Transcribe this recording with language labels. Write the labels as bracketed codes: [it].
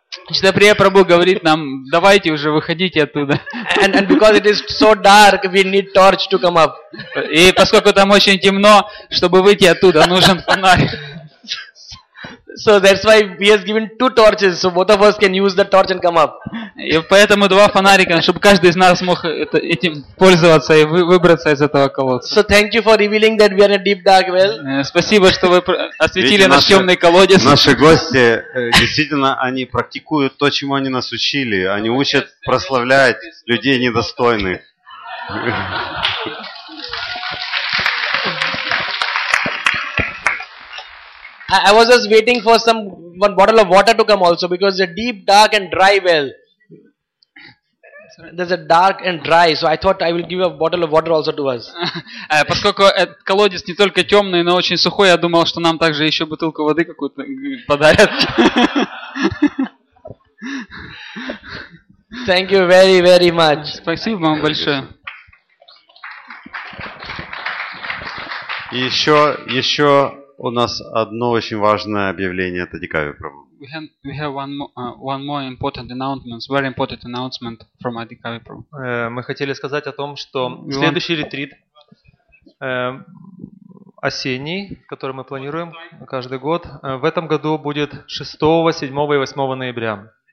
[ru] Achyut Priya Prabhu говорит нам: давайте уже выходите оттуда. [en] And because it is so dark, we need torch to come up. [ru] И поскольку там очень темно, чтобы выйти оттуда, нужен фонарь. [en] So that's why he has given two torches, so both of us can use the torch and come up. [ru] И поэтому два фонарика, чтобы каждый из нас мог этим пользоваться и выбраться из этого колодца. [en] So thank you for revealing that we are in a deep dark well. [ru] Спасибо, что вы осветили наш темный колодец. Наши гости, действительно, они практикуют то, чему они нас учили. Они учат прославлять людей недостойных. [en] I was just waiting for one bottle of water to come also, because it's a deep, dark and dry well. There's a dark and dry, so I thought I will give a bottle of water also to us. [ru] Поскольку колодец не только темный, но очень сухой, я думал, что нам также еще бутылку воды какую-то подарят. [en] Thank you very, very much. [ru] Спасибо вам большое. Еще... У нас одно очень важное объявление Адикави Прабху. [en] We have one more important announcement, very important announcement from Адикави Прабху. [ru] Мы хотели сказать о том, что следующий ретрит осенний, который мы планируем каждый год, в этом году будет 6, 7 и 8 ноября.